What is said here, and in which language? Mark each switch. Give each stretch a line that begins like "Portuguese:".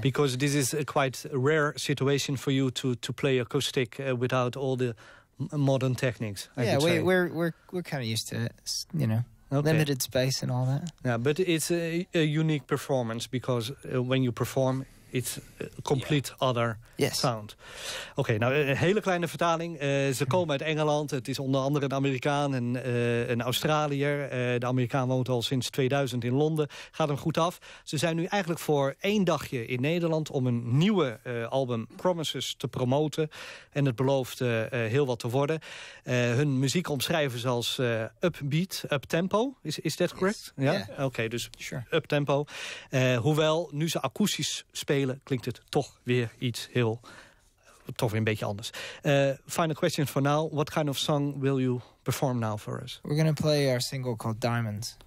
English: Because this is a quite rare situation for you to play acoustic without all the modern techniques. We're kind of used to it, you know. Okay. Limited space and all that. Yeah, but it's a unique performance because when you perform, it's a complete other sound.
Dutch: Oké, nou, een hele kleine vertaling. Ze komen uit Engeland. Het is onder andere een Amerikaan en een Australiër. De Amerikaan woont al sinds 2000 in Londen. Gaat hem goed af. Ze zijn nu eigenlijk voor één dagje in Nederland om een nieuwe album Promises te promoten. En het belooft heel wat te worden. Hun muziek omschrijven ze als upbeat, uptempo. Is dat correct? Ja. Yeah. Oké, dus sure. Uptempo. Hoewel, nu ze akoestisch spelen, klinkt het toch weer iets heel, toch weer een beetje anders.
English: Final question for now. What kind of song will you perform now for us? We're going to play our single called Diamonds.